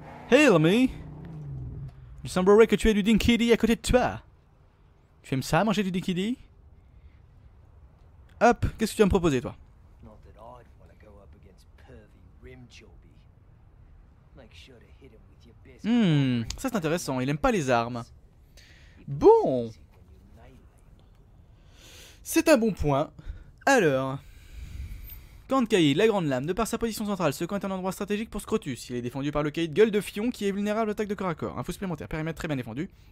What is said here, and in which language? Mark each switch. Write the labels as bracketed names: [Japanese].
[English] Hail me! [French] Il semblerait que tu aies du dinkidi à côté de toi. Tu aimes ça, manger du dinkidi? Hop, qu'est-ce que tu vas me proposer, toi? [English] Not that I'd want to go up against pervy Rimjobby. Make sure to hit him with your best. [French] Ça c'est intéressant, il aime pas les armes. Bon! C'est un bon point. Alors. Camp de Kaïd, la grande lame, de par sa position centrale, ce camp est un endroit stratégique pour Scrotus. Il est défendu par le Kaïd Gueule de Fion qui est vulnérable à l'attaque de corps à corps. Info supplémentaire, périmètre très bien défendu.